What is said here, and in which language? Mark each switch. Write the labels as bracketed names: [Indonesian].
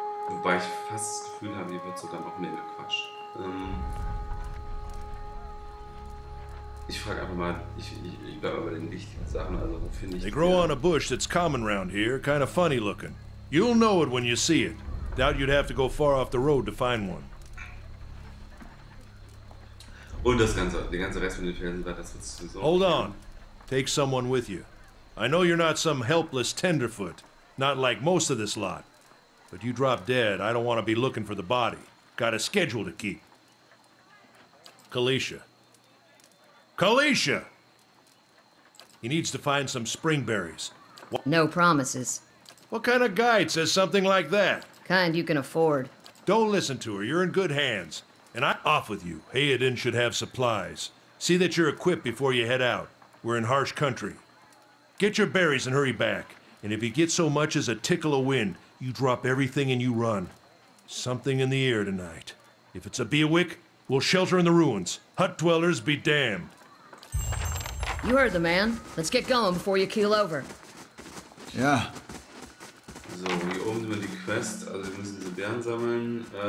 [German] Wobei ich fast das Gefühl habe, hier wird sogar noch mehr gequatscht. Ich frage einfach mal, ich bleibe bei den wichtigen Sachen, also finde ich... [English] They grow on a bush that's common around here, kind of funny looking. You'll know it when you see it. Doubt you'd have to go far off the road to find one. [German] Und das Ganze, der ganze Rest von den Felsen, war das jetzt so... [English] Hold on. Take someone with you. I know you're not some helpless tenderfoot. Not like most of this lot. But you drop dead, I don't want to be looking for the body. Got a schedule to keep. Kalisha. Kalisha! He needs to find some spring berries. No promises. What kind of guide says something like that? Kind you can afford. Don't listen to her. You're in good hands. And I'm off with you. Hayden should have supplies. See that you're equipped before you head out. We're in harsh country. Get your berries and hurry back. And if you get so much as a tickle of wind, you drop everything and you run. Something in the air tonight. If it's a Beowick, we'll shelter in the ruins. Hut dwellers be damned. You heard the man. Let's get going before you keel over. Yeah. [German] So, hier oben sind wir die Quest. Also wir müssen diese Bären sammeln.